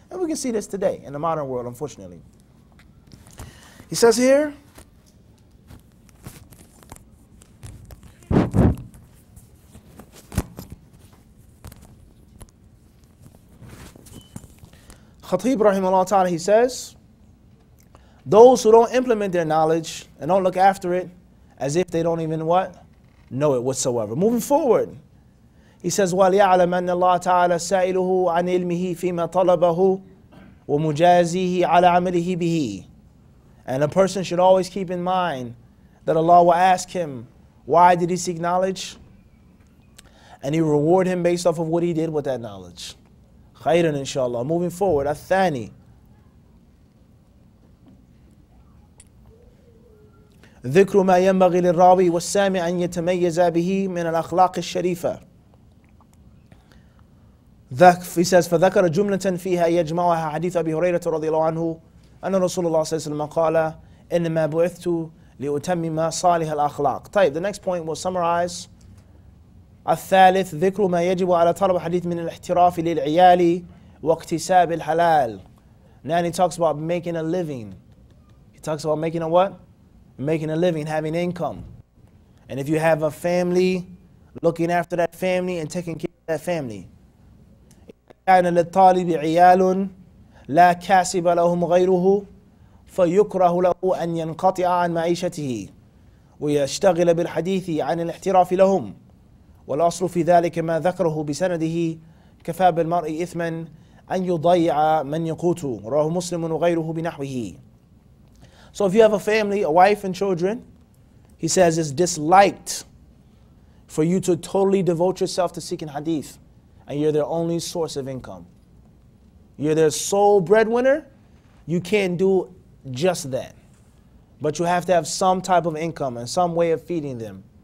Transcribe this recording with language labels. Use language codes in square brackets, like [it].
[en] And we can see this today in the modern world, unfortunately. He says here, Khatib rahimahullah ta'ala, he says, Those who don't implement their knowledge and don't look after it, as if they don't even what? Know it whatsoever. Moving forward, he says, [ar] وَلْيَعْلَمْ أَنَّ اللَّهَ تَعَالَى سَائِلُهُ عَنْ إِلْمِهِ فِيمَا طَلَبَهُ وَمُجَازِهِ عَلَى عَمَلِهِ بِهِ. [en] And a person should always keep in mind that Allah will ask him, why did he seek knowledge? And he will reward him based off of what he did with that knowledge. خَيْرًا inshallah. Moving forward, الثاني. [ar] ذكر ما ينبغي للراوي والسامع أن يتميز به من الأخلاق الشريفة. [en] He says, [ar] فذكر جملة فيها يجمعها حديث أبي هريرة رضي الله عنه أن رسول الله صلى الله عليه وسلم قال إنما بعثت لأتمم صالح الأخلاق. [en] طيب, the next point will summarize. [ar] الثالث, ذكر ما يجب على طلب حديث من الاحتراف للعيال واكتساب الحلال. [en] Now he talks about making a living. He talks about making a what? Making a living, having income. And if you have a family, looking after that family and taking care of that family. [ar] كان للطالب عيال لا كاسب لهم غيره فيكره له أن ينقطع عن معيشته ويشتغل بالحديث عن الاحتراف لهم والأصل في ذلك ما ذكره بسنده كفى بالمرء إثما أن يضيع من يقوت رواه مسلم وغيره بنحوه. [en] So if you have a family, a wife and children, he says it's disliked for you to totally devote yourself to seeking hadith. And you're their only source of income. You're their sole breadwinner. You can't do just that. But you have to have some type of income and some way of feeding them.